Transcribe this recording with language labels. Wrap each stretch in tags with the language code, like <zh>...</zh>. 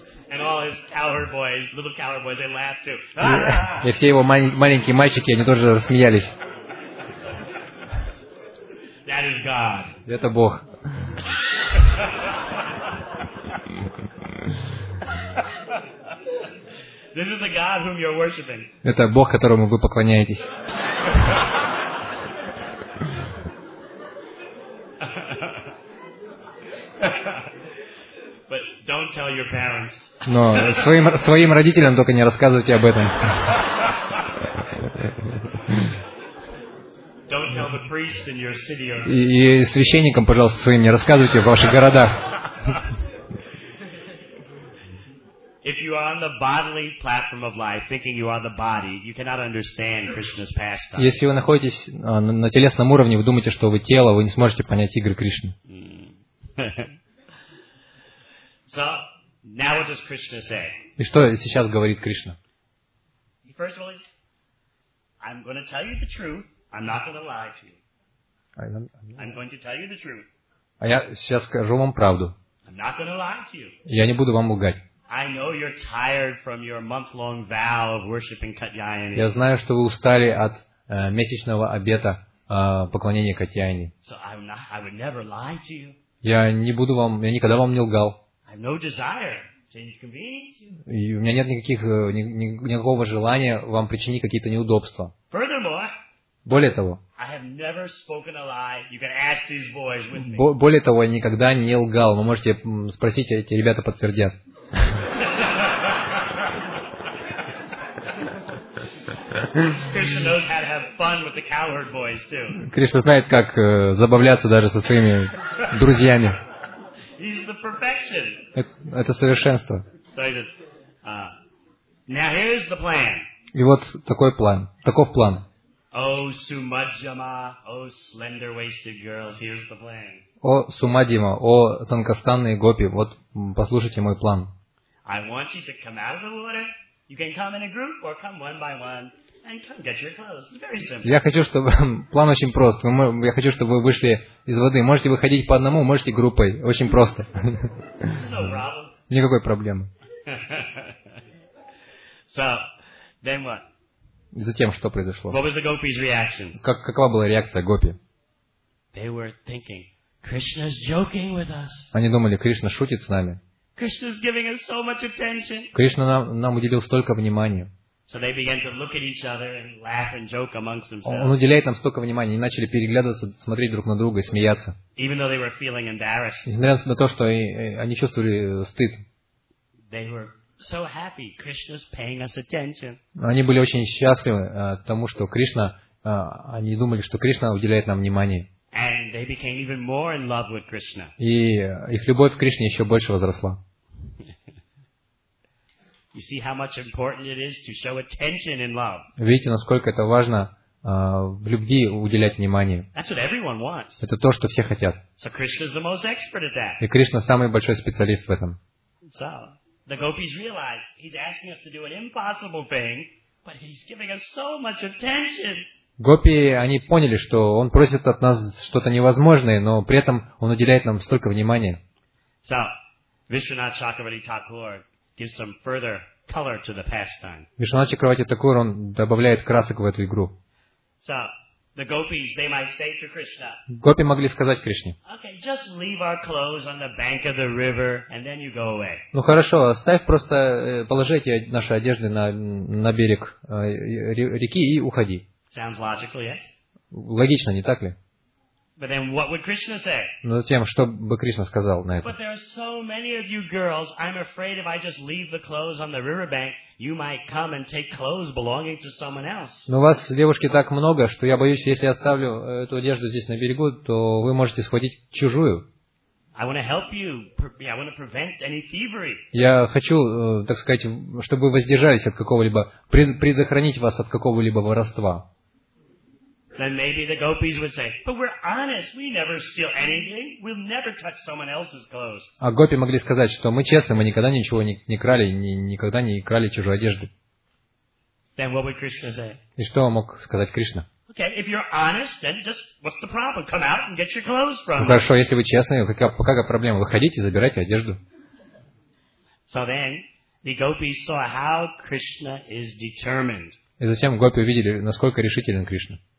<en>And all his cowherd boys, little cowherd boys, they laughed too.</en> <ru>И все его маленькие мальчики, они тоже рассмеялись.</ru> <en>That is God.</en> <ru>Это Бог.</ru> <en>This is the God whom you're worshiping.</en> <ru>Это Бог, которому вы поклоняетесь.</ru> <en>But don't tell your parents.</en> <ru>Но своим родителям только не рассказывайте об этом.</ru> <en>Don't tell the priests in your city.</en> <ru>И священникам, пожалуйста, своим не рассказывайте в ваших городах.</ru> <en>If you are on the bodily platform of life, thinking you are the body, you cannot understand Krishna's pastime.</en> <ru>Если вы находитесь на телесном уровне, вы думаете, что вы тело, вы не сможете понять игры Кришны.</ru> <en>So, now what does Krishna say?</en> <ru>И что сейчас говорит Кришна?</ru> <en>First of all, I'm going to tell you the truth. I'm not going to lie to you. I'm going to tell you the truth.</en> <ru>А я сейчас скажу вам правду.</ru> <en>I'm not going to lie to you.</en> <ru>Я не буду вам лгать.</ru> <en>I know you're tired from your month-long vow of worshiping Katyayani.</en> <ru>Я знаю, что вы устали от месячного обета поклонения Катьяйне.</ru> <en>So I would never lie to you.</en> <ru>Я никогда вам не лгал.</ru> <en>I have no desire to inconvenience you.</en> <ru>И у меня нет никакого желания вам причинить какие-то неудобства.</ru> <en>Furthermore,</en> <ru>более того,</ru> <en>I have never spoken a lie. You can ask these boys with me.</en> <ru>Более того, я никогда не лгал. Вы можете спросить, эти ребята подтвердят.</ru> <en>Krishna knows how to have fun with the cowherd boys too.</en> <ru>Кришна знает, как забавляться даже со своими друзьями.</ru> <en>He's the perfection.</en> <ru>Это совершенство.</ru> <en>Now here's the plan.</en> <ru>И вот такой план. Таков план.</ru> <en>Oh Sumajama, oh slender waisted girls, here's the plan.</en> <ru>О Сумадима, о тонкостанные гопи, вот послушайте мой план.</ru> <en>I want you to come out of the water. You can come in a group or come one by one and come get your clothes. It's very simple.</en> <ru>Я хочу, чтобы план очень прост. Я хочу, чтобы вы вышли из воды. Можете выходить по одному, можете группой. Очень просто.</ru> <en>No problem.</en> <ru>Никакой проблемы.</ru> <en>So, then what?</en> <ru>Затем что произошло?</ru> <en>What was the gopis' reaction?</en> <ru>Какова была реакция гопи?</ru> <en>They were thinking, Krishna's joking with us.</en> <ru>Они думали, Кришна шутит с нами.</ru> <en>Krishna's giving us so much attention.</en> <ru>Кришна нам уделил столько внимания.</ru> <en>So they began to look at each other and laugh and joke amongst themselves.</en> <ru>Он уделяет нам столько внимания, и начали переглядываться, смотреть друг на друга и смеяться.</ru> <en>Even though they were feeling embarrassed.</en> <ru>Несмотря на то, что они чувствовали стыд.</ru> <en>They were so happy Krishna's paying us attention.</en> <ru>Они были очень счастливы тому, что Кришна, они думали, что Кришна уделяет нам внимание.</ru> <en>And they became even more in love with Krishna.</en> <ru>И их любовь к Кришне еще больше возросла.</ru> <en>You see how much important it is to show attention in love.</en> <ru>Видите, насколько это важно в любви уделять внимание.</ru> <en>That's what everyone wants.</en> <ru>Это то, что все хотят.</ru> <en>So Krishna's the most expert at that.</en> <ru>И Кришна самый большой специалист в этом.</ru> <en>So the gopis realize he's asking us to do an impossible thing, but he's giving us so much attention.</en> <ru>Гопи, они поняли, что он просит от нас что-то невозможное, но при этом он уделяет нам столько внимания.</ru> <en>So, Vishwanath Chakravarti Thakur gives some further color to the pastime.</en> <ru>Vishwanath Chakravarti Thakur, он добавляет красок в эту игру.</ru> <en>So, the gopis, they might say to Krishna.</en> <ru>Гопи могли сказать Кришне.</ru> <en>Okay, just leave our clothes on the bank of the river and then you go away.</en> <ru>Ну хорошо, оставь просто, положи эти наши одежды на берег реки и уходи.</ru> <en>Sounds logical, yes?</en> <ru>Логично, не так ли?</ru> <en>But then what would Krishna say?</en> <ru>Но затем, что бы Кришна сказал на это?</ru> <en>But there are so many of you girls, I'm afraid if I just leave the clothes on the riverbank, you might come and take clothes belonging to someone else.</en> <ru>Но вас, девушки, так много, что я боюсь, если я оставлю эту одежду здесь на берегу, то вы можете схватить чужую.</ru> <en>I want to help you. I want to prevent any thievery.</en> <ru>Я хочу, так сказать, чтобы вы воздержались от какого-либо, предохранить вас от какого-либо воровства.</ru> <en>Then maybe the gopis would say, "But we're honest. We never steal anything. We'll never touch someone else's clothes."</en> <ru>А гопи могли сказать, что мы честны, мы никогда ничего не крали, никогда не крали чужую одежду.</ru> <en>Then what would Krishna say?</en> <ru>И что мог сказать Кришна?</ru> <en>Okay, if you're honest, then just what's the problem? Come out and get your clothes from.</en> <ru>Ну, хорошо, если вы честны, какая проблема? Выходите, забирайте одежду.</ru> <en>So then the gopis saw how Krishna is determined.</en> <ru>И затем гопи увидели, насколько решителен Кришна.</ru>